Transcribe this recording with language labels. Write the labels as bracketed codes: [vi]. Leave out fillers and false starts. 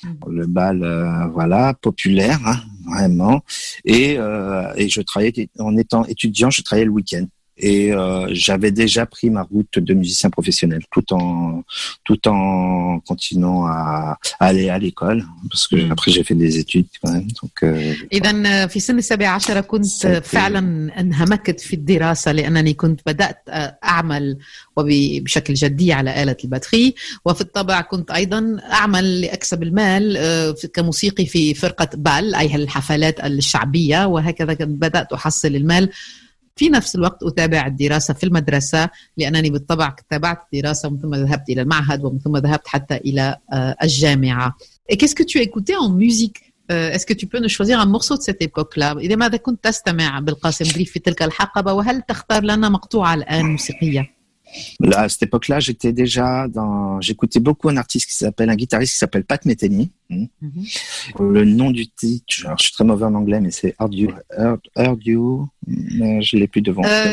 [fr] Le bal, voilà, populaire, hein, vraiment. Et je travaillais, en étant étudiant, je travaillais le week-end. Et j'avais déjà pris ma route de musicien professionnel tout en continuant à aller à l'école. Parce que après, j'ai fait des études quand même. [ar] إذن في سن 17 كنت فعلا انهمكت في الدراسة لأنني كنت بدأت أعمل وبشكل جدي على آلة الباتري، وفي الطبع كنت أيضا أعمل لأكسب المال كموسيقي في فرقة بال، أي الحفلات الشعبية، وهكذا بدأت أحصل المال. في نفس الوقت أتابع الدراسة في المدرسة، لأنني بالطبع تابعت الدراسة ومن ثم ذهبت إلى المعهد ومن ثم ذهبت حتى إلى الجامعة. [fr] Qu'est-ce que tu écoutais en musique? Est-ce que tu peux nous choisir un morceau de cette époque-là? [ar] إذا ماذا كنت تستمع بالقاسم بريف في تلك الحقبة؟ وهل تختار لنا مقطوعة الآن موسيقية؟ [fr] Là, à cette époque-là, j'étais déjà dans. J'écoutais beaucoup un guitariste qui s'appelle Pat Metheny. Mm-hmm. Le nom du titre, alors, je suis très mauvais en anglais, mais c'est Are You? Mais je ne l'ai plus devant.